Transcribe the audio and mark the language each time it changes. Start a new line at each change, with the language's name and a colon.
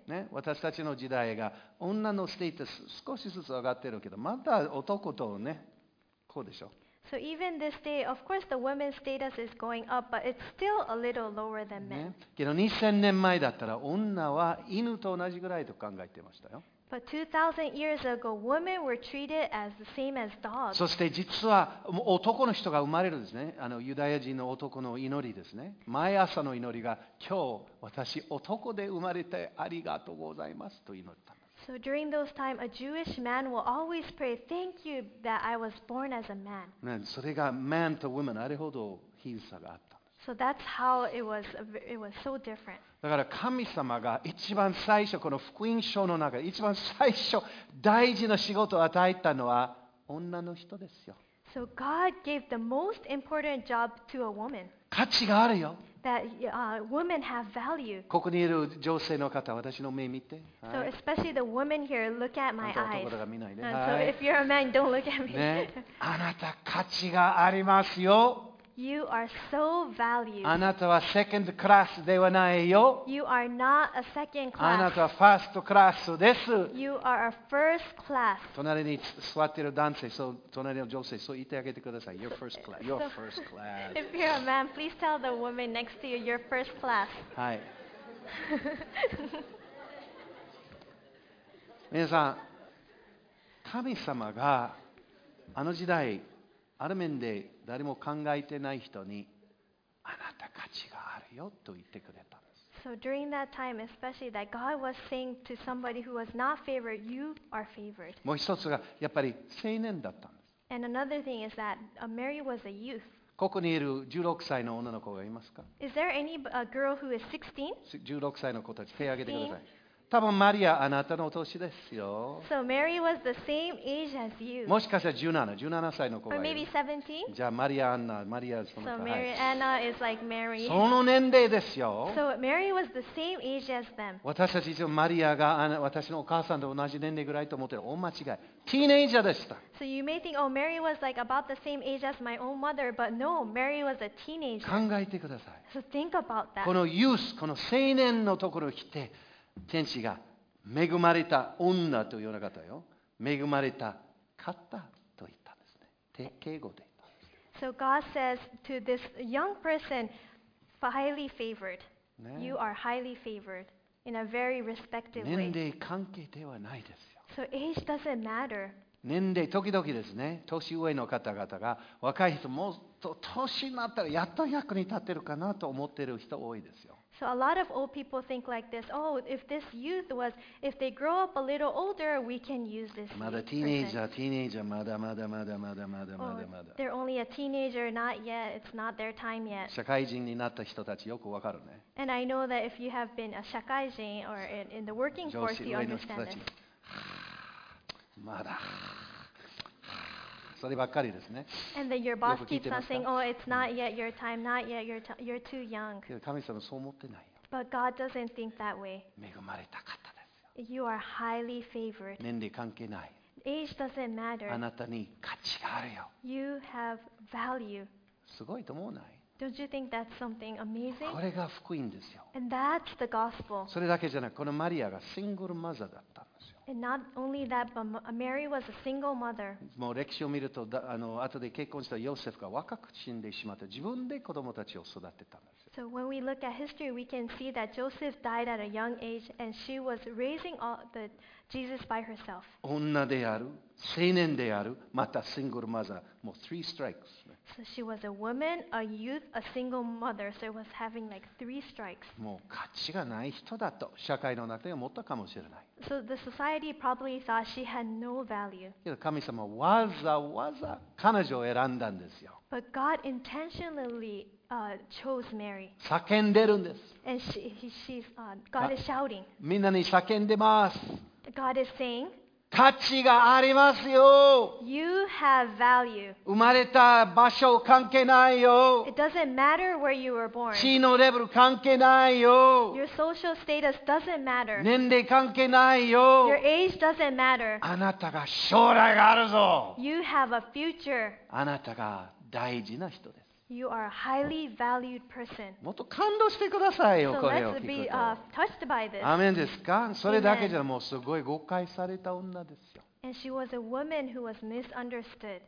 Japanese: ね、私たちの時代が女のステータス少しずつ上がってるけど、まだ男とね、こうでしょ。
English: So even this day, of course, the women's status is going up, but it's still a little lower than men.
Japanese: けど2000年前だったら女は犬と同じぐらいと考えてましたよ。
English: But 2000 years ago, women were treated as the same as dogs.
Japanese: そして実は男の人が生まれるですね。ユダヤ人の男の祈りですね。毎朝の祈りが、今日私男で生まれてありがとうございますと祈った。
English: So during those time, a Jewish man will always pray, "Thank you that I was born as a man."
Japanese: それが man と woman あれほど貧差があったんです。
English: So that's how it was so different.
Japanese: だから神様が一番最初この福音書の中で一番最初大事な仕事を与えたのは女の人ですよ。
English: So God gave the most important job to a woman.
Japanese: 価値があるよ。
English: that women have value.
Japanese: ここにいる女性の方、私の目見て。
English: So especially the women here, look at my eyes.
Japanese: ところが見ないね。
English: So if you're a man, don't look at me.
Japanese: ね、あなた価値がありますよ。
English: You are so valued.
Japanese: あなたは
English: second class
Japanese: ではないよ。
English: You are not a second class.
Japanese: あなたは
English: first class
Japanese: です。
English: You are a first class.
Japanese: 隣に座っている男性、そう隣の女性、そう言ってあげてください。
English: You're first class. You're first class. If you're a man, please tell the woman next to you, you're first class. はい。
Japanese: 皆さん、神様があの時代ある面で誰も考えてない人にあなた価値があるよと言ってくれたんです。
English: So during that time, especially that God was saying to somebody who was not favored, you are favored.
Japanese: もう一つがやっぱり青年だったんです。
English: And another thing is that Mary was a youth.
Japanese: ここにいる16歳の女の子がいますか？
English: Is there any a girl who is 16?
Japanese: 16歳の子たち手を挙げてください。多分マリアあなたの年ですよ。
English: So Mary was the same age as you.
Japanese: もしかしたら17歳の子がいる。
English: Or maybe 17?
Japanese: じゃあマリアアンナ、マリアその子。
English: So Mary Anna is like Mary.
Japanese: その年齢ですよ。
English: So Mary was the same age as them.
Japanese: 私たちはマリアが私のお母さんと同じ年齢ぐらいと思っている。大間違い。ティーネイジャーでした。
English: So you may think, oh, Mary was like about the same age as my own mother, but no, Mary was a teenager.
Japanese: 考えてください。
English: So think about that.
Japanese: このユース、この青年のところに来て、天使が恵まれた女と言わなかったよ。恵まれた方と言ったんですね。敬語で言ったんです。
English: So God says to this young person, highly favored.、ね、you are highly favored in a very respective way.
Japanese: 年齢関係ではないですよ。
English: So age doesn't matter.
Japanese: 年齢時々ですね。年上の方々が若い人もっと年になったらやっと役に立ってるかなと思ってる人多いですよ。
English: So a lot of old people think like this. Oh, if this youth was, if they grow up a little older, we can use this.
Japanese: まだ teenager, teenager, まだまだまだまだまだまだまだ。
English: They're only a teenager, not yet. It's not their time yet.
Japanese: 社会人になった人たちよくわかるね。
English: And I know that if you have been a 社会人 or in the working force, you understand this.
Japanese: まだ。そればっかりですね。
English: And then your boss keeps on saying, "Oh, it's not yet your time. Not yet. You're too young."
Japanese: 神様そう思ってないよ。
English: But God doesn't think that way.
Japanese: 恵まれた方ですよ。
English: You are highly favored.
Japanese: 年齢関係ない。
English: Age doesn't matter.
Japanese: あなたに価値があるよ。
English: You have value.
Japanese: すごいと思わない？
English: Don't you think that's something amazing?
Japanese: これが福音ですよ。
English: And that's the gospel.
Japanese: それだけじゃなく、このマリアがシングルマザーだった。
English: And not only that, but Mary was a single mother.
Japanese: もう歴史を見ると、後で結婚したヨセフが若く死んでしまった。自分で子供たちを育てたんですよ。
English: So when we look at history, we can see that Joseph died at a young age, and she was raising all the Jesus by herself.
Japanese: 女である、青年である、またシングルマザー、もう
English: three strikes. So she was a woman, a youth, a single mother. So it was having like three strikes.
Japanese: もう価値がない人だと社会の中で思ったかもしれない。
English: So the society probably thought she had no value.
Japanese: けど神様わざわざ彼女を選んだんですよ。
English: But God intentionally chose Mary.
Japanese: 叫んでるんです。
English: And she's God is shouting.
Japanese: みんなに叫んでます。
English: God is saying.
Japanese: 価値がありますよ。
English: You have value.
Japanese: 生まれた場所関係ないよ。
English: It doesn't matter where you were born.
Japanese: 地位のレベル関係ないよ。
English: Your social status doesn't matter.
Japanese: 年齢関係ないよ。
English: Your age doesn't matter.
Japanese: あなたが将来があるぞ。
English: You have a future.
Japanese: あなたが大事な人です。
English: You are a highly valued person.
Japanese: もっと感動してくださいよ、
English: so、
Japanese: これを聞くと。
English: Be, touched by this.
Japanese: アメンですか？それだけじゃもうすごい誤解された女ですよ。
English: And she was a woman who was misunderstood.